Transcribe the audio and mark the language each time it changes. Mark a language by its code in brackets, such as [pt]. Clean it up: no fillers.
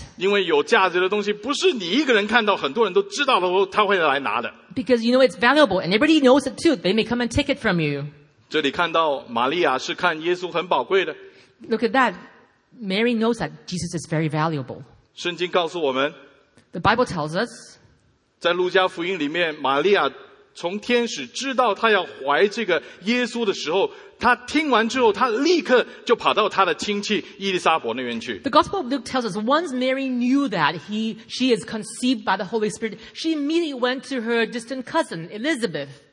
[zh] 因为有价值的东西不是你一个人看到，很多人都知道了，他会来拿的。 [en] Because you know it's valuable, and everybody knows it too. They may come and take it from you. [zh] 这里看到玛利亚是看耶稣很宝贵的。 [en] Look at that. Mary knows that Jesus is very valuable. [zh] 圣经告诉我们, [en] the Bible tells us, [zh] 在路加福音里面, 玛利亚从天使知道她要怀这个耶稣的时候, 她听完之后, 她立刻就跑到她的亲戚伊丽莎伯那边去。 [en] The Gospel of Luke tells us, once Mary knew that she is conceived by the Holy Spirit, she immediately went to her distant cousin, Elizabeth.